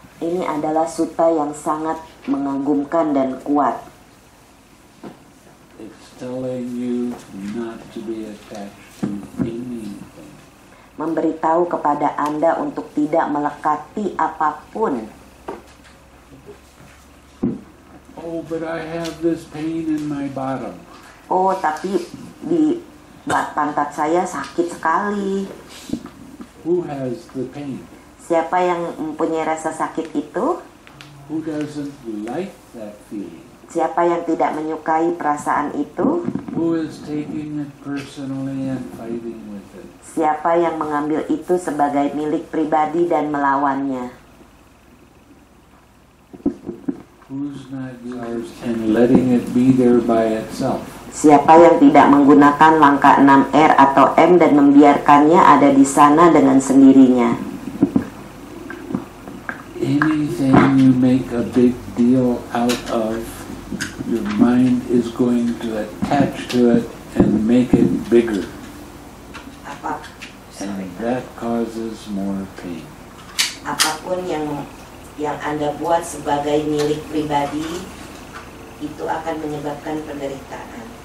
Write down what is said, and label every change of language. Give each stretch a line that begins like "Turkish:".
Indonesian: Ini adalah sutta yang sangat mengagumkan dan kuat.
English: It's telling you not to be attached to anything.
Indonesian: Memberitahu kepada Anda untuk tidak melekati apapun.
English: Oh, but I have this pain in my bottom.
Indonesian: Oh, tapi di pantat saya sakit sekali.
English: Who has the pain?
Indonesian: Siapa yang mempunyai rasa sakit itu?
English: Who doesn't like that feeling?
Indonesian: Siapa yang tidak menyukai perasaan itu?
English: Who is taking it personally and fighting with it?
Indonesian: Siapa yang mengambil itu sebagai milik pribadi dan melawannya?
English: Who's not yours and letting it be there by itself?
Indonesian: Siapa yang tidak menggunakan langkah 6R atau M dan membiarkannya ada di sana dengan sendirinya?
English: Anything you make a big deal out of, your mind is going to attach to it and make it bigger. And that causes more pain.
Indonesian: Apapun yang Anda buat sebagai milik pribadi, itu akan menyebabkan penderitaan.